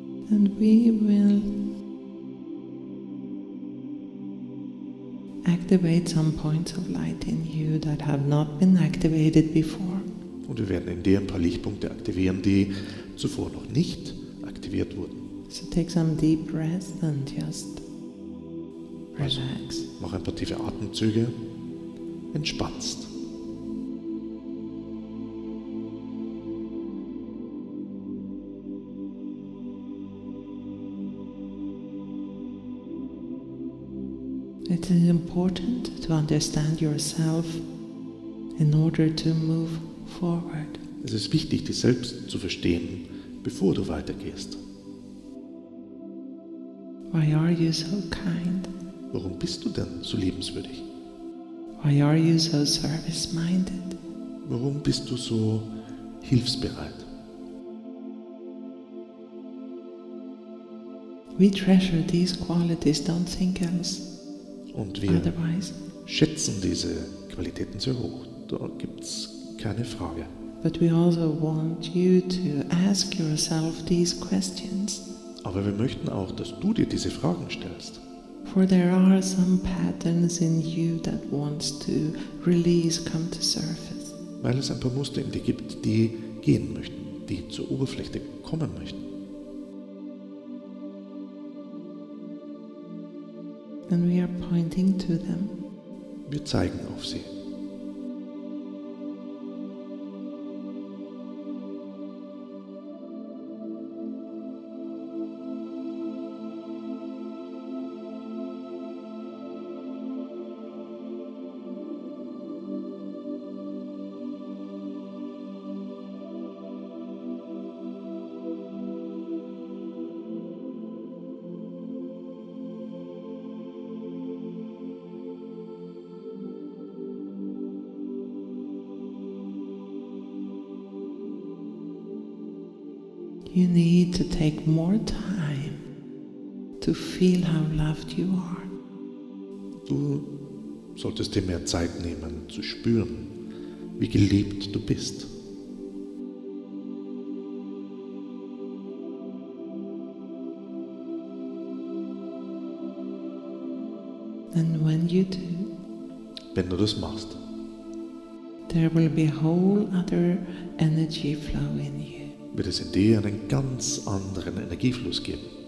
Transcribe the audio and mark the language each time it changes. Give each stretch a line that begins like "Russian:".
English: And we will activate some points of light in you that have not been activated before.
German: Und wir werden in dir ein paar Lichtpunkte aktivieren, die zuvor noch nicht aktiviert wurden.
English: So take some deep breaths and just relax.
German: Also, mach ein paar tiefe Atemzüge, entspannst.
English: It is important to understand yourself in order to move forward.
German: Es ist wichtig, dich selbst zu verstehen, bevor du weitergehst.
English: Why are you so kind?
German: Warum bist du denn so liebenswürdig?
English: Why are you so service-minded?
German: Warum bist du so hilfsbereit?
English: We treasure these qualities, don't think else.
German: Und wir schätzen diese Qualitäten sehr hoch. Da gibt's keine Frage.
English: But we also want you to ask yourself these questions.
German: Aber wir möchten auch, dass du dir diese Fragen stellst.
English: For there are some patterns in you that wants to release, come to surface.
German: Weil es ein paar Muster in dir gibt, die gehen möchten, die zur Oberfläche kommen möchten.
English: And we are pointing to them.
German: Wir zeigen auf sie.
English: You need to take more time to feel how loved you are.
German: Du solltest dir mehr Zeit nehmen, zu spüren, wie geliebt du bist.
English: And when you do,
German: wenn du das machst,
English: there will be a whole other energy flow in you.
German: Wird es in dir einen ganz anderen Energiefluss geben.